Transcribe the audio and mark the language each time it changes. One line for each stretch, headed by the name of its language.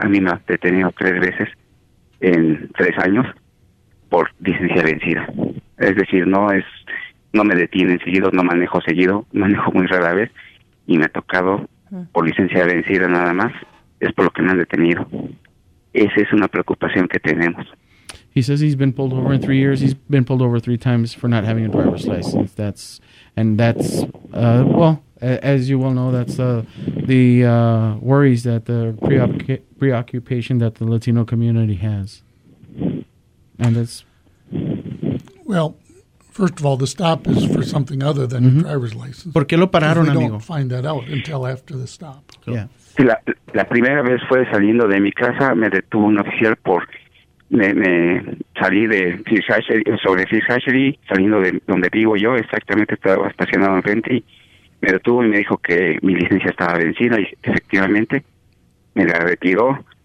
Spanish: A mí me ha detenido 3 veces. En 3 años por licencia vencida. Es decir, no me detienen seguido, no manejo seguido, manejo muy rara vez y me ha tocado por licencia vencida nada más. Es por lo que me han detenido. Esa es una preocupación que tenemos.
English: He says he's been pulled over in 3 years. He's been pulled over 3 times for not having a driver's license. As you well know, that's the worries that the preoccupation that the Latino community has. And it's... Well, first of all, the stop is for something other than a driver's license.
Spanish: ¿Por qué lo pararon, amigo?
English: We don't find that out until after the stop. So. Yeah.
Spanish: La primera vez fue saliendo de mi casa, me detuvo un oficial por... Me salí de Fish Hatchery, sobre Fish Hatchery, saliendo de donde vivo yo, exactamente estaba estacionado enfrente y... Me detuvo y me dijo que mi licencia estaba vencida y efectivamente me la retiró.